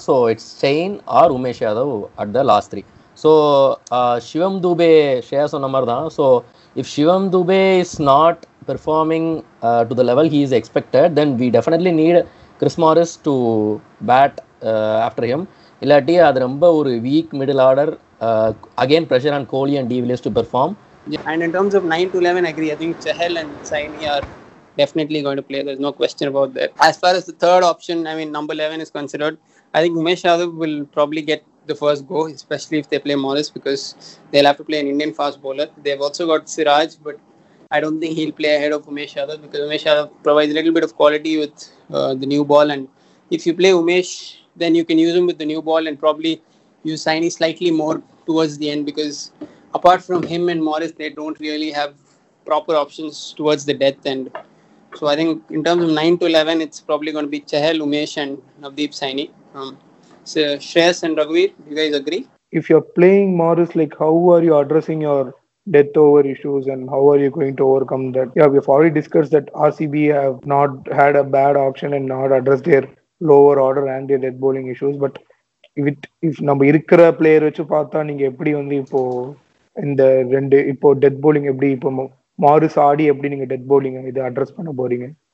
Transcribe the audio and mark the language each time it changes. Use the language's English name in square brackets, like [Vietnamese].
[English] So it's Steyn or Umesh Yadav at the last three. So Shivam Dubey, Shreyas [Tamil] sonna maari dhaan. [English] So if Shivam Dubey is not performing to the level he is expected, then we definitely need Chris Morris to bat after him. [Tamil] இல்லாட்டி அது ரொம்ப ஒரு [English] Weak middle order. Again pressure on Kohli and de Villiers to perform. And in terms of 9 to 11 agree, I think Chahal and Saini are definitely going to play, there is no question about that. As far as the third option, I mean number 11 is considered, I think Umesh Yadav will probably get the first go, especially if they play Morris because they have to play an Indian fast bowler. They have also got Siraj, but I don't think he'll play ahead of Umesh Yadav because Umesh Yadav provides little bit of quality with the new ball. And if you play Umesh, then you can use him with the new ball and probably use Saini slightly more towards the end, because apart from him and Morris, they don't really have proper options towards the death end. So I think in terms of 9 to 11, it's probably going to be Chahal, Umesh and Navdeep Saini. So Shreyas and Raghuveer, do you guys agree? If you're playing Morris, like how are you addressing your death over issues and how are you going to overcome that? Yeah, we've already discussed that RCB have not had a bad option and not addressed their lower order and the dead bowling issues. But if [Tamil] நம்ம இருக்கிற player வச்சு பார்த்தா நீங்க எப்படி வந்து இப்போ இந்த ரெண்டு இப்போ டெத் போலிங் எப்படி இப்போ மாரிஸ் ஆடி எப்படி நீங்க டெத் போலிங் இது அட்ரஸ் பண்ண போறீங்க?